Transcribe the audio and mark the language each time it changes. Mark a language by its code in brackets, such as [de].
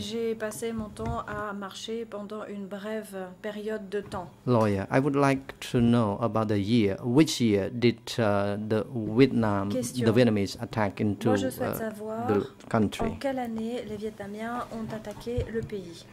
[fr] J'ai passé mon temps à marcher pendant une brève période de temps. [en] Lawyer, I would like to know about the year. Which year did the Vietnamese attack into the country? [fr] En quelle année les Vietnamiens ont attaqué le pays?